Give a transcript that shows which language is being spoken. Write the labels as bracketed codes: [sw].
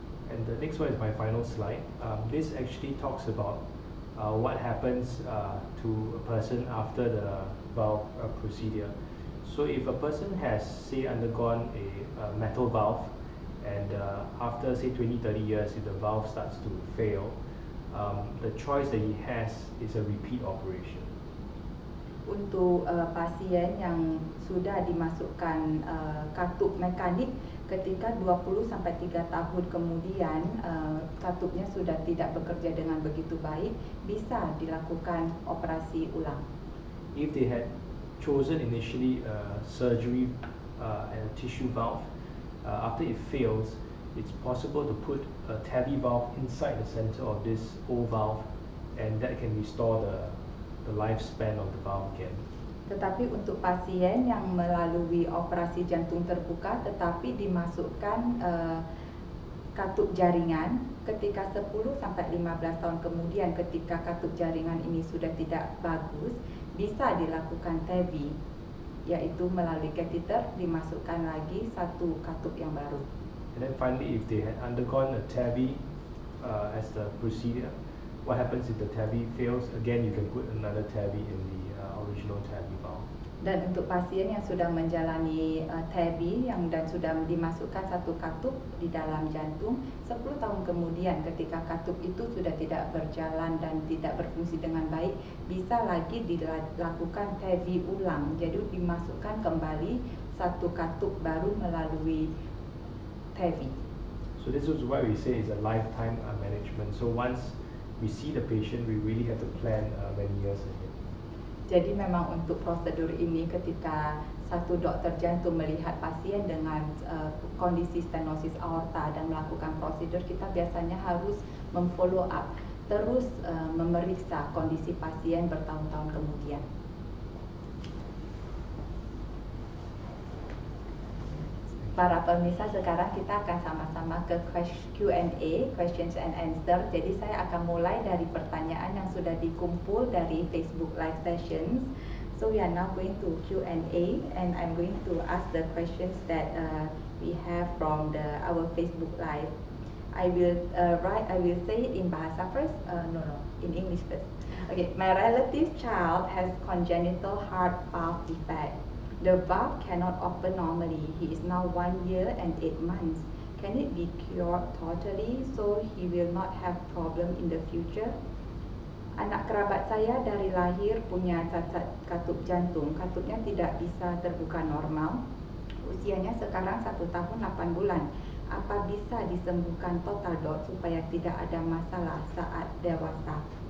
[en] And the next one is my final slide. This actually talks about what happens to a person after the valve procedure. So if a person has, say, undergone a metal valve, and after, say, 20-30 years, if the valve starts to fail, the choice that he has is a repeat operation. [id] Untuk pasien yang sudah dimasukkan katup mekanik, ketika 20-3 tahun kemudian katupnya sudah tidak bekerja dengan begitu baik, bisa dilakukan operasi ulang. [en] If they had chosen initially surgery and a tissue valve, after it fails, it's possible to put a TAVI valve inside the center of this old valve, and that can restore the lifespan of the valve again. [id] Tetapi untuk pasien yang melalui operasi jantung terbuka tetapi dimasukkan katup jaringan, ketika 10-15 tahun kemudian ketika katup jaringan ini sudah tidak bagus, bisa dilakukan TAVI, yaitu melalui kateter dimasukkan lagi satu katup yang baru. [en] And then finally, if they had undergone a TAVI as the procedure, what happens if the TAVI fails? Again, you can put another TAVI in the original TAVI valve. [id] Dan untuk pasien yang sudah menjalani TAVI yang dan sudah dimasukkan satu katup di dalam jantung, 10 tahun kemudian ketika katup itu sudah tidak berjalan dan tidak berfungsi dengan baik, bisa lagi dilakukan TAVI ulang. Jadi dimasukkan kembali satu katup baru melalui TAVI. [en] So this is why we say it's a lifetime management. So once we see the patient, we really have to plan many years ahead. [id] Jadi memang untuk prosedur ini, ketika satu dokter jantung melihat pasien dengan kondisi stenosis aorta dan melakukan prosedur, kita biasanya harus memfollow up, terus memeriksa kondisi pasien bertahun-tahun kemudian. Para pemirsa, sekarang kita akan sama-sama ke Q&A, [en] questions and answers. [id] Jadi saya akan mulai dari pertanyaan yang sudah dikumpul dari Facebook Live Sessions. [en] So we are now going to Q&A and I'm going to ask the questions that we have from our Facebook Live. In English first. Okay, my relative's child has congenital heart valve defect. The valve cannot open normally. He is now 1 year and 8 months. Can it be cured totally so he will not have problem in the future? [id] Anak kerabat saya dari lahir punya cacat katup jantung. Katupnya tidak bisa terbuka normal. Usianya sekarang 1 tahun 8 bulan. Apa bisa disembuhkan total dok supaya tidak ada masalah saat dewasa?